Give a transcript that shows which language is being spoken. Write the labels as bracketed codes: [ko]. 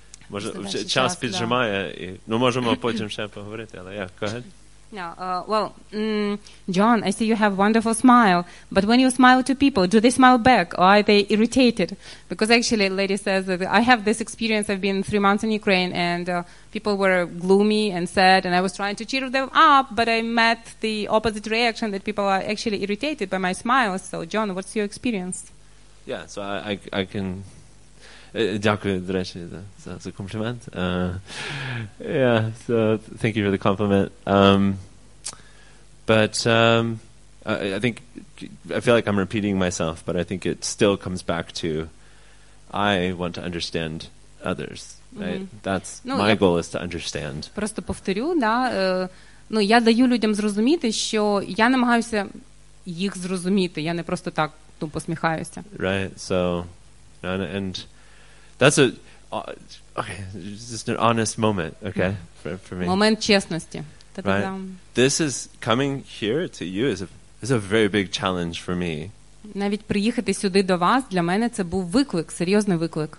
[uk] Може, час піджимає. Ну, можемо потім ще поговорити, але я, [en] go ahead. John, I see you have a wonderful smile, but when you smile to people, do they smile back or are they irritated? Because actually, a lady says that I have this experience. I've been 3 months in Ukraine, and people were gloomy and sad, and I was trying to cheer them up, but I met the opposite reaction, that people are actually irritated by my smile. So, John, what's your experience? Yeah, so I can... [uk] Дякую, до речі, за комплімент. [en] Yeah, so thank you for the compliment. I think, I feel like I'm repeating myself, but I think it still comes back to, I want to understand others, right? Mm-hmm. That's my goal, is to understand. [uk] Просто повторю, да, я даю людям зрозуміти, що я намагаюся їх зрозуміти, я не просто так тупо сміхаюся. [en] Right, so, and that's a okay. Just an honest moment, okay, for me. Moment [ru] честности. [en] Right. This is coming here to you is a very big challenge for me. [uk] Навіть приїхати сюди до вас для мене це був виклик, серйозний виклик.